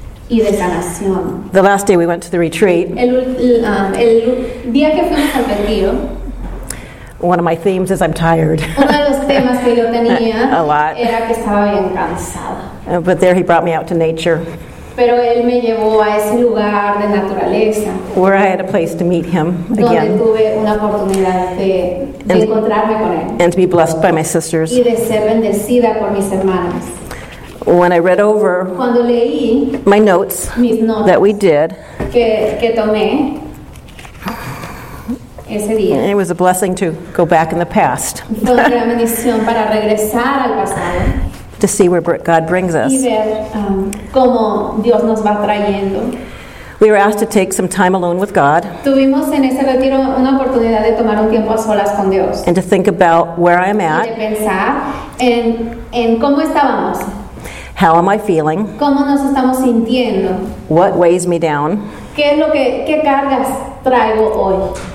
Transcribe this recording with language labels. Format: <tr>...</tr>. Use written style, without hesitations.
<es>Y de sanación.</es> <en>The last day we went to the retreat,</en> <es>el día que fuimos al retiro,</es> <en>one of my themes is I'm tired. A lot.</en> <es>Era que estaba bien cansada.</es> <en>But there he brought me out to nature.</en> <es>Pero él me llevó a ese lugar de naturaleza,</es> <en>where I had a place to meet him again.</en> <es>Donde tuve una oportunidad de encontrarme con él.</es> <en>And to be blessed by my sisters.</en> <es>Y de ser bendecida por mis hermanas.</es> <en>When I read over</en> <es>cuando leí</es> <en>my notes,</en> <es>mis notes</es> <en>that we did,</en> <es>que tomé ese día,</es> <en>it was a blessing to go back in the past.</en> <es>Fue una bendición para regresar al pasado,</es> <en>to see where God brings us.</en> <es>Y ver, cómo Dios nos va trayendo.</es> <en>We were asked to take some time alone with God.</en> <es>Tuvimos en ese retiro una oportunidad de tomar un tiempo a solas con Dios.</es> <en>And to think about where I'm at.</en> <es>Y de pensar en cómo estábamos.</es> <en>How am I feeling?</en> <es>¿Cómo nos estamos sintiendo?</es> <en>What weighs me down?</en> <es>¿Qué es lo que, qué cargas traigo hoy?</es>